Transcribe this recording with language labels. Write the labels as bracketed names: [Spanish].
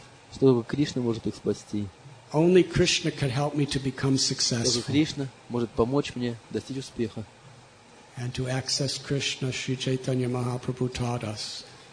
[Russian] что только Кришна может их спасти. [English] Only Krishna could help me to become successful. [Russian] Только Кришна может помочь мне достичь успеха. [English] And to access Krishna, Sri Chaitanya Mahaprabhu taught us.